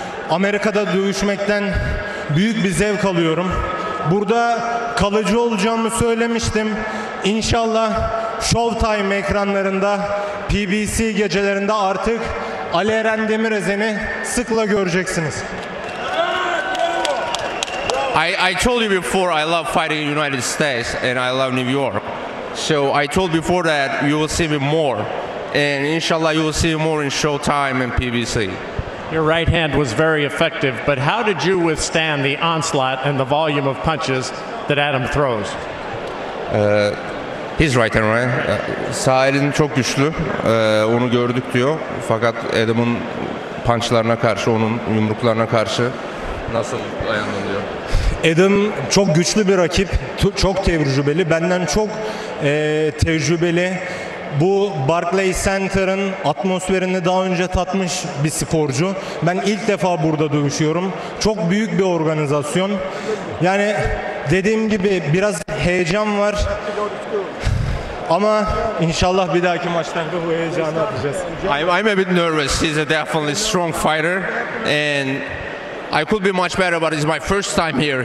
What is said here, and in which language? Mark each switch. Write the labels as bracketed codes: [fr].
[tr] Amerika'da dövüşmekten büyük bir zevk alıyorum. Burada kalıcı olacağımı söylemiştim. İnşallah Showtime ekranlarında, PBC gecelerinde artık Ali Eren Demirezen'i sıkla göreceksiniz. [en] I told you before I love fighting in the United States and I love New York. So I told before that you will see me more. And inshallah you will see me more in Showtime and PBC. Your right hand was very effective, but how did you withstand the onslaught and the volume of punches that Adam throws? His right hand, right? [tr] Sağ elin çok güçlü. Onu gördük diyor. Fakat Adam'ın punchlarına karşı, onun yumruklarına karşı nasıl dayandın diyor. Adam çok güçlü bir rakip, çok tecrübeli. Benden çok tecrübeli. Bu Barclay Center'ın atmosferini daha önce tatmış bir sporcu. Ben ilk defa burada dövüşüyorum. Çok büyük bir organizasyon. Yani dediğim gibi biraz heyecan var. Ama inşallah bir dahaki maçtan da bu heyecanı atacağız. [en] I'm a bit nervous. He's a definitely strong fighter. And I could be much better, but it's my first time here.